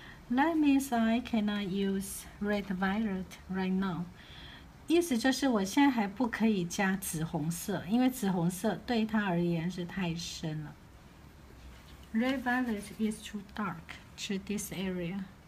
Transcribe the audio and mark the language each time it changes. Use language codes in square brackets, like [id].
[en] That means I cannot use red violet right now. [zh] 意思就是我现在还不可以加紫红色， 因为紫红色对它而言是太深了。 [en] Red violet is too dark to this area.